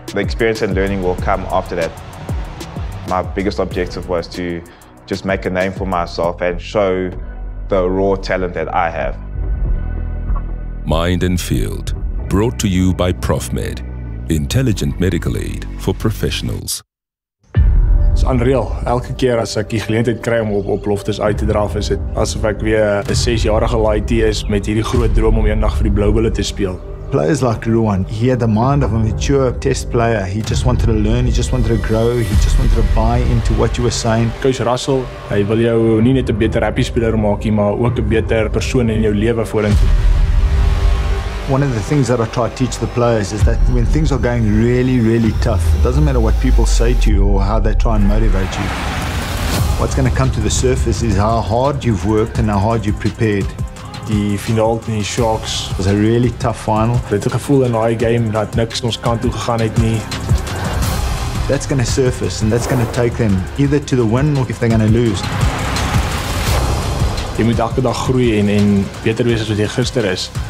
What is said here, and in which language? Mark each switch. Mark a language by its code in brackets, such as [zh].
[en] The experience and learning will come after that. My biggest objective was to just make a name for myself and show the raw talent that I have. Mind and Field, brought to you by Profmed, intelligent medical aid for professionals. It's unreal. [af] Elke keer as ek die geleentheid kry om op loftes uit te draf, is dit asof ek weer 'n 6-jarige laaitie is met hierdie groot droom om eendag vir die Blue Bulls te speel. [en] Players like Ruan, he had the mind of a mature test player. He just wanted to learn, he just wanted to grow, he just wanted to buy into what you were saying. [af] Coach Russell, hy wil jou nie net 'n beter rugby speler maak nie, maar ook 'n beter persoon in jou lewe vorentoe. [en] One of the things that I try to teach the players is that when things are going really, really tough, it doesn't matter what people say to you or how they try and motivate you. What's going to come to the surface is how hard you've worked and how hard you've prepared. The final in the Sharks was a really tough final. They took a full in our game that [af] niks ons kant toe gegaan het nie. [en] That's going to surface and that's going to take them either to the win or if they're going to lose. [af] Jy moet elke dag groei en beter wees as wat jy gister is.